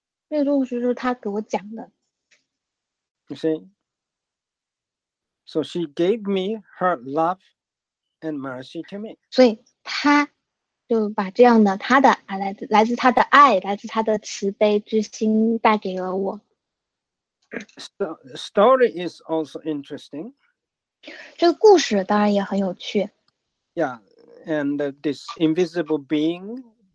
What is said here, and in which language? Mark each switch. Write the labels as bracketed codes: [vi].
[zh] 这个故事是她给我讲的。 [en] You see? So she gave me her love and mercy to me. [zh] 所以她就把这样的她的来自她的爱，来自她的慈悲之心带给了我。 [en] So, story is also interesting. [zh] 这个故事当然也很有趣。 [en] Yeah, and this invisible being.